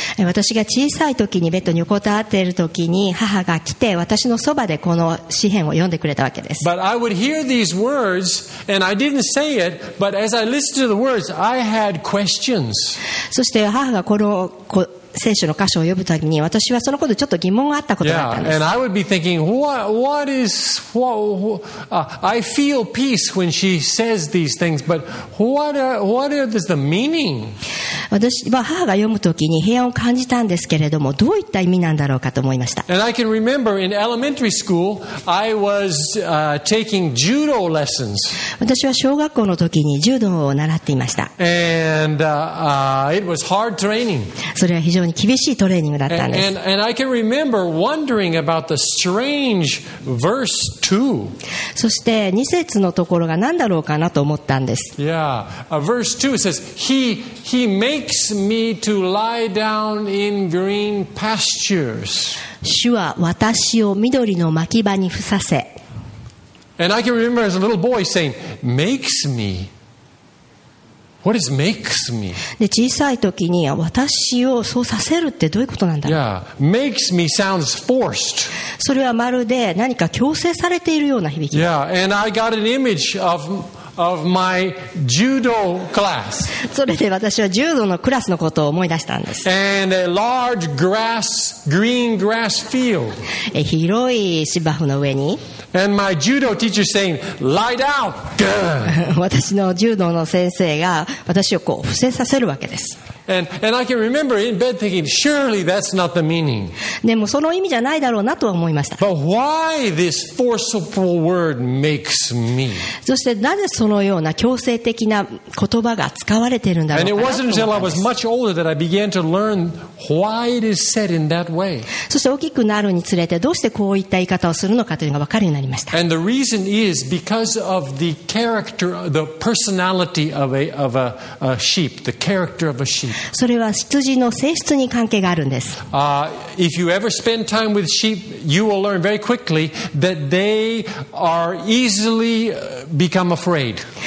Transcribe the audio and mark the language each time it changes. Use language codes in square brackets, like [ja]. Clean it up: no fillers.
[ja] 私が小さい時にベッドに横たわっている時に母が来て私のそばでこの詩篇を読んでくれたわけです。 [en] But I would hear these words and I didn't say it, but as I listened to the words, I had questions. [ja] そして母がこの聖書の箇所を読むときに私はそのことでちょっと疑問があったことだったんです。 [en] Yeah, and I would be thinking, I feel peace when she says these things, but what is the meaning? [ja] 私は母が読むときに平安を感じたんですけれども、どういった意味なんだろうかと思いました。 [en] And I can remember in elementary school I was taking judo lessons. [ja] 私は小学校のときに柔道を習っていました。 [en] And it was hard training. [ja] それは非常に厳しいトレーニングだったんです。 [en] And I can remember wondering about the strange verse 2. [ja] そして2節のところが何だろうかなと思ったんです。 [en] Yeah, verse 2 says, He makes me to lie down in green pastures. [ja] 主は私を緑の牧場にふさせ。 [en] And I can remember as a little boy saying, makes me? What is makes me? [ja] で、小さい時に私をそうさせるってどういうことなんだろう。 [en] Yeah, makes me sounds forced. [ja] それはまるで何か強制されているような響き。 [en] Yeah, and I got an image of my judo class. [ja] それで私は柔道のクラスのことを思い出したんです。 [en] And a large grass, green grass field. [ja] 広い芝生の上に。 [en] And my judo teacher saying, "Lie down." [ja] 私の柔道の先生が私をこう伏せさせるわけです。 [en] And I can remember in bed thinking, surely that's not the meaning. [ja] でもその意味じゃないだろうなとは思いました。 [en] But why this forceful word makes me? [ja] そしてなぜそのような強制的な言葉が使われているんだろうかなと思ったんです。 [en] And it wasn't until I was much older that I began to learn why it is said in that way. [ja] そして大きくなるにつれてどうしてこういった言い方をするのかというのが分かるようになりました。 [en] And the reason is because of the character, the personality of a sheep, the character of a sheep. [ja] それは羊の性質に関係があるんです。 [en] If you ever spend time with sheep, you will learn very quickly that they are easily become afraid.